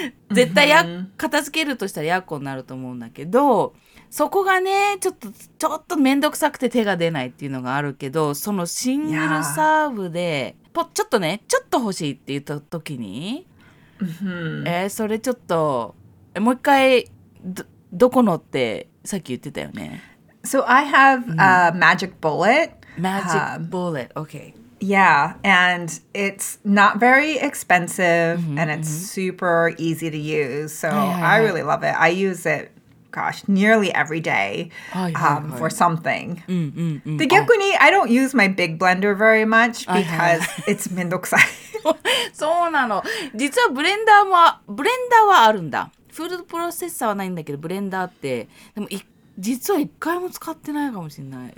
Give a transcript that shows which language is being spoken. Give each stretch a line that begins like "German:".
Japanese: 絶対や、片付けるとしたらやっこになると思うんだけど、そこがね、ちょっとめんどくさくて手が出ないっていうのがあるけど、そのシングルサーブで、ちょっとね、ちょっと欲しいって言った時に、それちょっと、もう一回、どこのってさっき言ってたよね。
English: So I have a magic bullet. Magic bullet, okay. Yeah, and it's not very expensive, and it's super easy to use. So I really love it. I use it, gosh, nearly every day for something. The
Japanese: 逆に,
English: I don't use my big blender very much because it's
Japanese: めんどくさい. そうなの。実はブレンダーはあるんだ。フードプロセッサーはないんだけど、ブレンダーってでも実は一回も使ってないかもしれない。